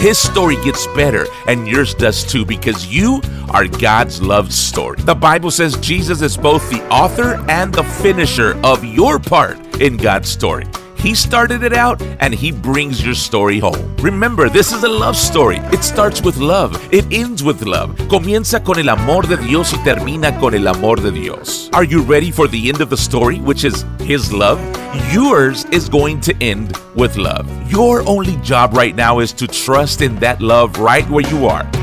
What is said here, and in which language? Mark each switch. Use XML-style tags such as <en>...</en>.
<en>His story gets better, and yours does too, because you are God's love story. The Bible says Jesus is both the author and the finisher of your part in God's story. He started it out, and He brings your story home. Remember, this is a love story. It starts with love. It ends with love.</en> <es>Comienza con el amor de Dios y termina con el amor de Dios.</es> <en>Are you ready for the end of the story, which is His love? Yours is going to end with love. Your only job right now is to trust in that love right where you are.</en>